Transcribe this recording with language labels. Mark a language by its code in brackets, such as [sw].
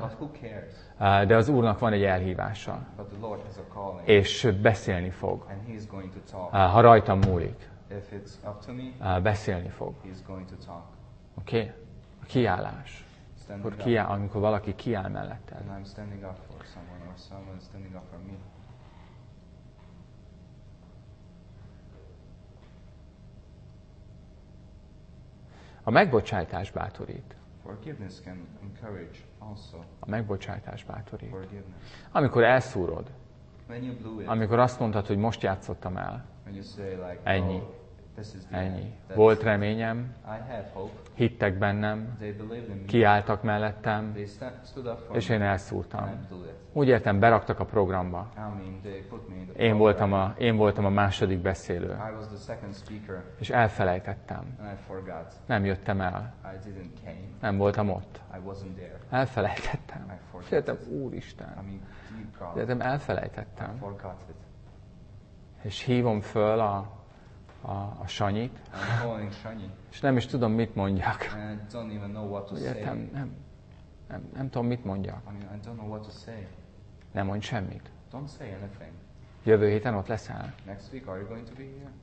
[en] But who cares? [hu] De az Úrnak van egy elhívása. [en] But the Lord has a calling. [hu] És beszélni fog. [en] And he is going to talk. [hu] Ha rajtam múlik. [en] If it's up to me, [hu] beszélni fog. Oké? A kiállás. Amikor valaki kiáll melletted. [en] And I'm standing up for someone or someone standing up for me. [hu] A megbocsátás bátorít. [en] Forgiveness can encourage also. [hu] A megbocsátás bátorít. [en] Forgiveness. [hu] Amikor elszúrod. [en] When you blew it. [hu] Amikor azt mondtad, hogy most játszottam el. [en] When you say like, [hu] ennyi. Oh, ennyi. Volt reményem, [en] I had hope. [hu] Hittek bennem, [en] they believed in me. [hu] Kiálltak mellettem, [en] they stood up for [hu] és én elszúrtam. [en] And [hu] úgy értem, beraktak a programba. [en] I mean, they put me in the program. [hu] Én voltam a második beszélő. [en] I was the second speaker. [hu] És elfelejtettem. [en] And I forgot. [hu] Nem jöttem el. [en] I didn't came. [hu] Nem voltam ott. [en] I wasn't there. [hu] Elfelejtettem. [en] I forgot. [hu] Féltem, Úristen. [en] I mean, deep problem. [hu] Féltem, elfelejtettem. [en] I forgot it. [hu] És hívom föl a Sanyit. És nem is tudom, mit mondjak. Értem, nem tudom, mit mondjak. [en] I mean, I don't know what to say. [hu] Nem mondj semmit. [en] Don't say anything. [hu] Jövő héten ott leszel. [en] Next week, are you going to be here?